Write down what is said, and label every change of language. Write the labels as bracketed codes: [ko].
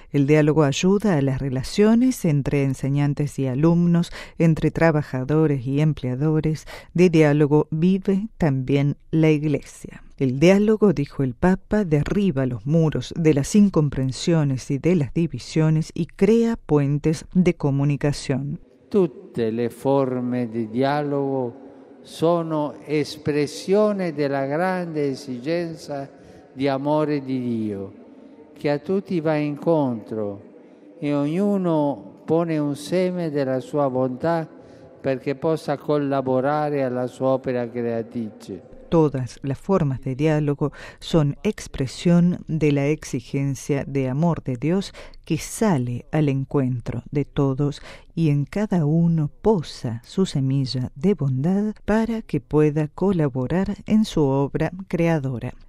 [es] El diálogo ayuda a las relaciones entre enseñantes y alumnos, entre trabajadores y empleadores. De diálogo vive también la Iglesia. El diálogo, dijo el Papa, derriba los muros de las incomprensiones y de las divisiones y crea puentes de comunicación. [it] Tutte le forme di dialogo sono espressione della grande esigenza di amore di Dio, che a tutti va incontro e ognuno pone un seme della sua bontà perché possa collaborare alla sua opera creatrice. [es] Todas las formas de diálogo son expresión de la exigencia de amor de Dios que sale al encuentro de todos y en cada uno posa su semilla de bondad para que pueda colaborar en su obra creadora.